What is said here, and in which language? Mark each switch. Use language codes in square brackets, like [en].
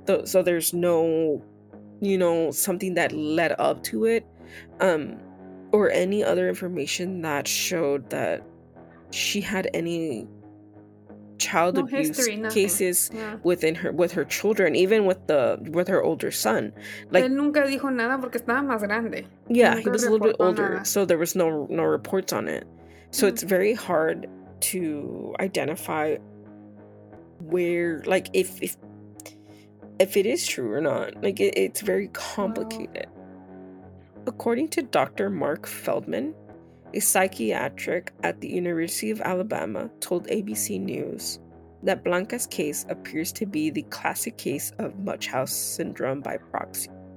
[en] So there's no, you know, something that led up to it, or any other information that showed that she had any child abuse cases within her children, even with her older son. [es] Like, él nunca dijo nada porque estaba más grande. [en] Yeah, he was a little bit older, so there was no reports on it. So it's very hard to identify where, like, if it is true or not. Like, it's very complicated. Wow. According to Dr. Mark Feldman, a psychiatric at the University of Alabama, told ABC News that Blanca's case appears to be the classic case of Munchausen syndrome by proxy.